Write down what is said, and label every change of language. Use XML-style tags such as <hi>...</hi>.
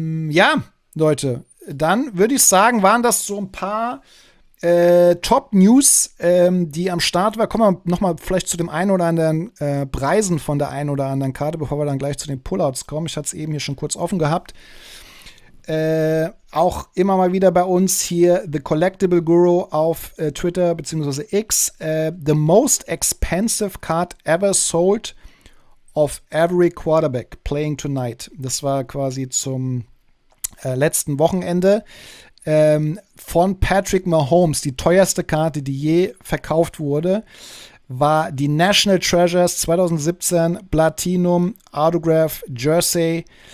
<de>Ja, Leute, dann würde ich sagen, waren das so ein paar Top-News, die am Start waren. Kommen wir nochmal vielleicht zu dem einen oder anderen Preisen von der einen oder anderen Karte, bevor wir dann gleich zu den Pullouts kommen. Ich hatte es eben hier schon kurz offen gehabt. Auch immer mal wieder bei uns hier The Collectible Guru auf Twitter bzw. X.</de> <en>The most expensive card ever sold of every quarterback playing tonight.</en> <de>Das war quasi zum letzten Wochenende. Von Patrick Mahomes, die teuerste Karte, die je verkauft wurde, war die National Treasures 2017 Platinum Autograph Jersey.</de>